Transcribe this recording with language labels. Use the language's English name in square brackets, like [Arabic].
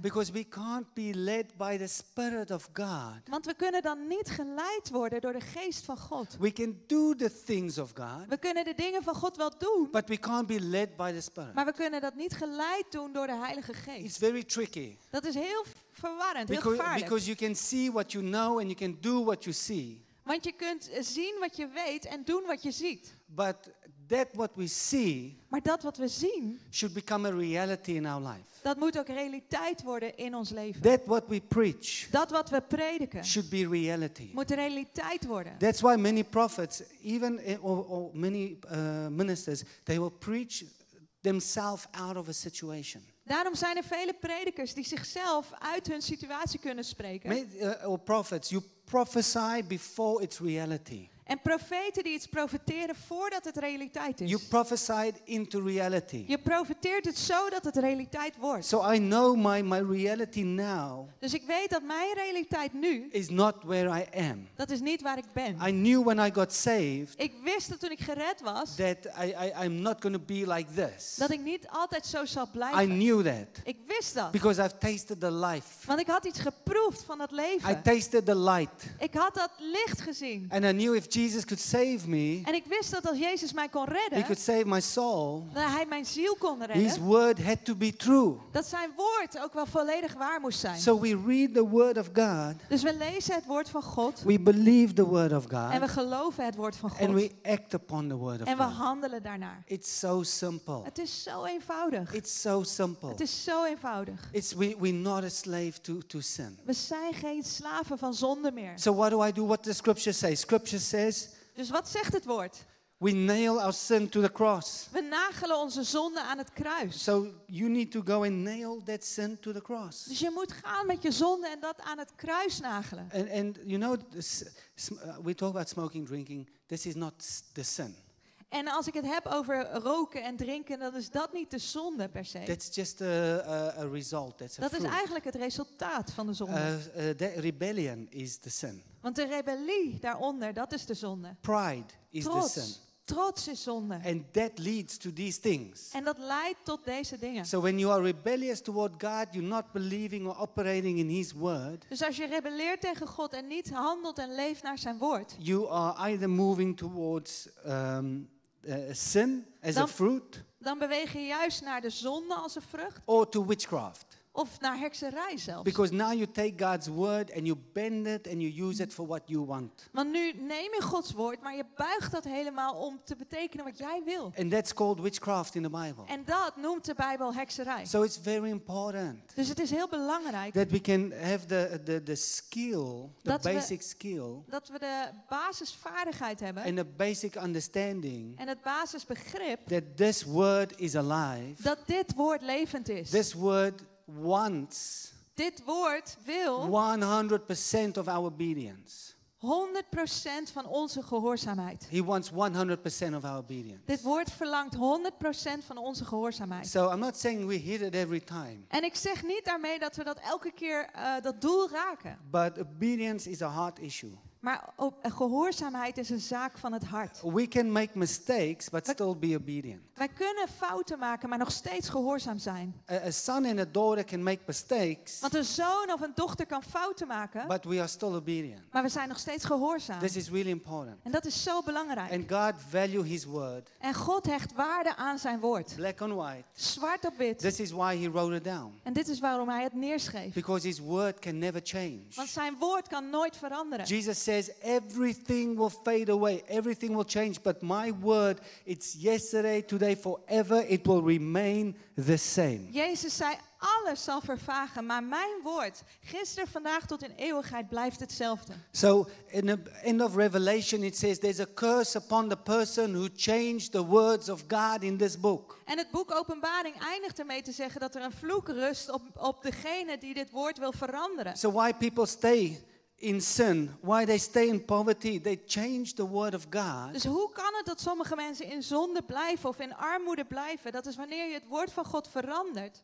[English] Because we can't be led by the Spirit of God. [Dutch] Want we kunnen dan niet geleid worden door de Geest van God. [English] We can do the things of God. [Dutch] We kunnen de dingen van God wel doen. [English] But we can't be led by the Spirit. [Dutch] Maar we kunnen dat niet geleid doen door de Heilige Geest. [English] It's very tricky. [Dutch] Dat is heel verwarrend, [English] because, [Dutch] heel gevaarlijk. [English] Because you can see what you know and you can do what you see. [Dutch] Want je kunt zien wat je weet en doen wat je ziet. [English] But that what we see, [Dutch] maar dat wat we zien, [English] should become a reality in our life. [Dutch] Dat moet ook realiteit worden in ons leven. [English] That what we preach, [Dutch] dat wat we prediken, [English] should be reality. [Dutch] Moet realiteit worden. [English] That's why many prophets, even or many ministers, they will preach themselves out of a situation. [Dutch] Daarom zijn er vele predikers die zichzelf uit hun situatie kunnen spreken. [English] Or prophets, you prophesy before it's reality. [Dutch] En profeten die iets profeteren voordat het realiteit is. [English] You prophesy it into reality. [Dutch] Je profeteert het zodat het realiteit wordt. [English] So I know my reality now. [Dutch] Dus ik weet dat mijn realiteit nu [English] is not where I am. [Dutch] Dat is niet waar ik ben. [English] I knew when I got saved. [Dutch] Ik wist dat toen ik gered was [English] that I'm not going to be like this. [Dutch] Dat ik niet altijd zo zal blijven. [English] I knew that. [Dutch] Ik wist dat. [English] Because I've tasted the life. [Dutch] Want ik had iets geproefd van dat leven. [English] I tasted the light. [Dutch] Ik had dat licht gezien. [English] And I knew if Jesus could save me. [Dutch] En ik wist dat als Jezus mij kon redden, [English] he could save my soul. [Dutch] Dat hij mijn ziel kon redden. [English] His word had to be true. [Dutch] Dat zijn woord ook wel volledig waar moest zijn. [English] So we read the word of God. [Dutch] Dus we lezen het woord van God. [English] We believe the word of God. [Dutch] En we geloven het woord van God. [English] And we act upon the word of God. [Dutch] En we handelen daarnaar. [English] It's so simple. [Dutch] Het is zo eenvoudig. [English] It's so simple. [Dutch] Het is zo eenvoudig. [English] It's we're not a slave to sin. [Dutch] We zijn geen slaven van zonde meer. [English] So what do I do? What the scripture say? Scripture says. [Dutch] Dus wat zegt het woord? [English] We nail our sin to the cross. [Dutch] We nagelen onze zonde aan het kruis. [English] So you need to go and nail that sin to the cross. [Dutch] Dus je moet gaan met je zonde en dat aan het kruis nagelen. [English] And you know, we talk about smoking, drinking. This is not the sin. [Dutch] En als ik het heb over roken en drinken, dan is dat niet de zonde per se. [English] That's just a result. That's a [Dutch] dat is eigenlijk het resultaat van de zonde. [English] The rebellion is the sin. [Dutch] Want de rebellie daaronder, dat is de zonde. [English] Pride is [Dutch] trots, [English] the sin. [Dutch] trots is zonde. [English] And that leads to these things. [Dutch] En dat leidt tot deze dingen. [English] So when you are rebellious toward God, you're not believing or operating in His word. [Dutch] Dus als je rebelleert tegen God en niet handelt en leeft naar zijn woord. [English] You are either moving towards sin as a fruit. [Dutch] Dan beweeg je juist naar de zonde als een vrucht. [English] Or to witchcraft. [Dutch] Of naar hekserij zelfs. [English] Because now you take God's word and you bend it and you use it for what you want. [Dutch] Want nu neem je Gods woord, maar je buigt dat helemaal om te betekenen wat jij wil. [English] And that's called witchcraft in the Bible. [Dutch] En dat noemt de Bijbel hekserij. [English] So it's very important. [Dutch] Dus het is heel belangrijk. [English] That we can have the skill, the basic skill. [Dutch] Dat we de basisvaardigheid hebben. [English] And the basic understanding. [Dutch] En het basisbegrip. [English] That this word is alive. [Dutch] Dat dit woord levend is. [English] This word wants [Dutch] dit woord wil [English] 100% of our obedience. [Dutch] 100% van onze gehoorzaamheid. [English] He wants 100% of our obedience. [Dutch] Dit woord verlangt 100% van onze gehoorzaamheid. [English] So I'm not saying we hit it every time. [Dutch] En ik zeg niet daarmee dat we dat elke keer dat doel raken. [English] But obedience is a heart issue. [Dutch] Maar gehoorzaamheid is een zaak van het hart. [English] We can make mistakes, but still be obedient. [Dutch] Wij kunnen fouten maken, maar nog steeds gehoorzaam zijn. [English] A son and a daughter can make mistakes. [Dutch] Want een zoon of een dochter kan fouten maken. [English] But we are still obedient. [Dutch] Maar we zijn nog steeds gehoorzaam. [English] This is really important. [Dutch] En dat is zo belangrijk. [English] And God value His word. [Dutch] En God hecht waarde aan zijn woord. [English] Black on white. [Dutch] Zwart op wit. [English] This is why He wrote it down. [Dutch] En dit is waarom Hij het neerschreef. [English] Because His word can never change. [Dutch] Want zijn woord kan nooit veranderen. [English] Jesus said, everything will fade away, everything will change, but my word, it's yesterday, today, forever, it will remain the same. [Dutch] Jezus zei, alles zal vervagen, maar mijn woord, gisteren, vandaag, tot in eeuwigheid, blijft hetzelfde. [English] So, in the end of Revelation, it says, there's a curse upon the person who changed the words of God in this book. [Dutch] En het boek Openbaring eindigt ermee te zeggen dat er een vloek rust op degene die dit woord wil veranderen. [English] So why people stay in sin, why they stay in poverty, they change the word of God. [Dutch] Dus hoe kan het dat sommige mensen in zonde blijven of in armoede blijven? Dat is wanneer je het woord van God verandert.